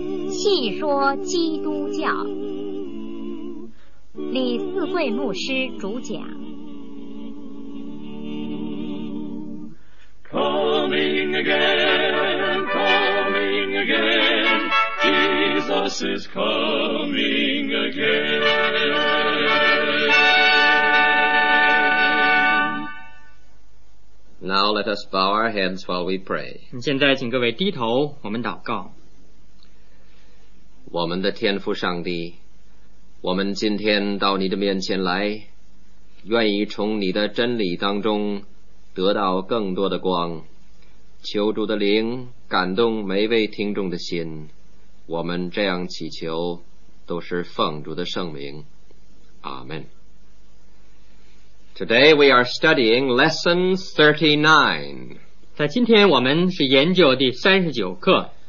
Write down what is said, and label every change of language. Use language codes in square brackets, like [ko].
[zh] 戏说基督教，李四桂牧师主讲。 [en] Coming again, coming again, Jesus is coming again. Now let us bow our heads while we pray. [zh] 现在请各位低头，我们祷告。我们的天父上帝，我们今天到你的面前来，愿意从你的真理当中得到更多的光，求主的灵感动每位听众的心，我们这样祈求都是奉主的圣名，阿们。 [en] Today we are studying lesson 39. [zh] 在今天我们是研究第39课。